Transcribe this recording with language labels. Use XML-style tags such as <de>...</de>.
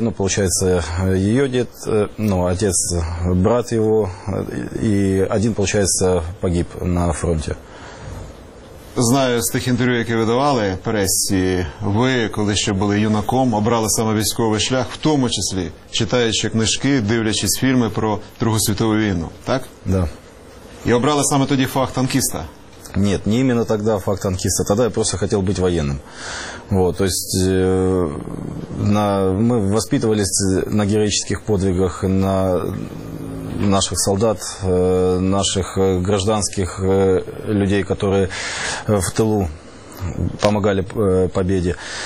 <ru>Ну, получается, ее дед, ну, отец, брат его. И один, получается, погиб на фронте.</ru> <uk>Знаю з тих інтерв'ю, які ви давали пресі, ви, коли ще були юнаком, обрали саме військовий шлях, в тому числі, читаючи книжки, дивлячись фільми про Другу світову війну, так?</uk> <ru>Да.</ru> <uk>І обрали саме тоді фах танкіста? Ні, не іменно тоді фах танкіста, тоді я просто хотів бути воєнним.</uk> <ru>Вот, то есть мы воспитывались на героических подвигах, на наших солдат, наших гражданских людей, которые в тылу помогали победе.</ru>